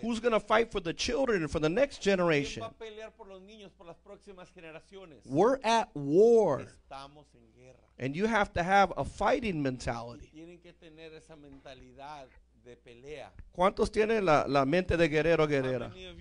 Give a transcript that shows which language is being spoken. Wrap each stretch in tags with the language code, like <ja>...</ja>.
<en>Who's going to fight for the children and for the next generation?</en> <es>¿Quién va a pelear por los niños, por las próximas generaciones?</es> <en>We're at war.</en> <es>Estamos en guerra.</es> <en>And you have to have a fighting mentality.</en> <es>Tienen que tener esa mentalidad de pelea. ¿Cuántos tienen la mente de guerrero o guerrera?</es>